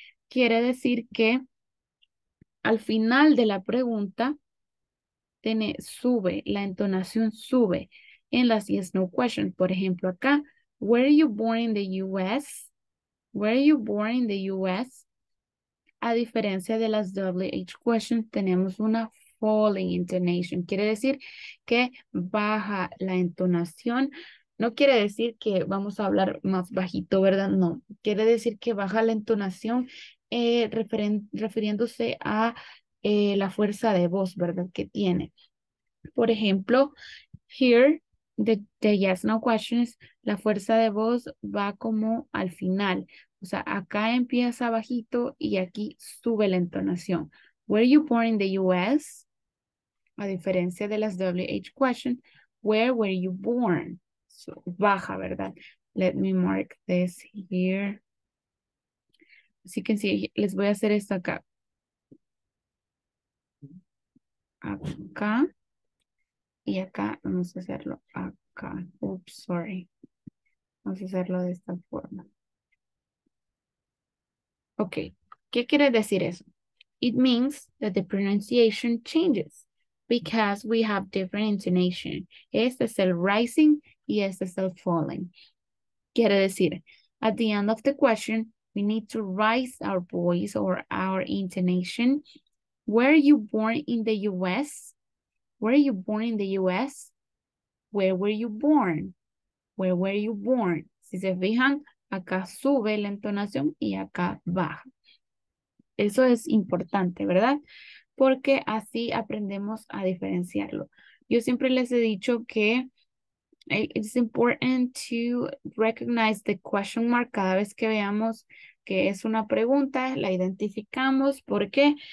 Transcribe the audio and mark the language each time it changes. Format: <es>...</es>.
<es>Quiere decir que al final de la pregunta, sube, la entonación sube en las yes, no questions. Por ejemplo, acá,</es> <en>where are you born in the U.S.? Where are you born in the U.S.?</en> <es>A diferencia de las WH questions, tenemos una falling intonation. Quiere decir que baja la entonación. No quiere decir que vamos a hablar más bajito, ¿verdad? No. Quiere decir que baja la entonación refiriéndose a la fuerza de voz, ¿verdad? Que tiene. Por ejemplo, here, the yes, no questions, la fuerza de voz va como al final. O sea, acá empieza bajito y aquí sube la entonación.</es> <en>Where are you born in the U.S.?</en> <es>A diferencia de las</es> <en>WH questions, where were you born? So,</en> <es>baja, ¿verdad?</es> <en>Let me mark this here. As you can see,</en> <es>les voy a hacer esto acá. Acá. Y acá vamos a hacerlo acá.</es> <en>Oops, sorry.</en> <es>Vamos a hacerlo de esta forma. Ok. ¿Qué quiere decir eso?</es> <en>It means that the pronunciation changes because we have different intonation.</en> <es>Este es el rising y este es el falling. Quiere decir,</es> <en>at the end of the question, we need to raise our voice or our intonation. Where are you born in the U.S.? Where are you born in the U.S.? Where were you born? Where were you born?</en> <es>Si se fijan, acá sube la entonación y acá baja. Eso es importante, ¿verdad? Porque así aprendemos a diferenciarlo. Yo siempre les he dicho que</es> <en>it's important to recognize the question mark</en> <es>cada vez que veamos que es una pregunta, la identificamos. ¿Por qué?</es>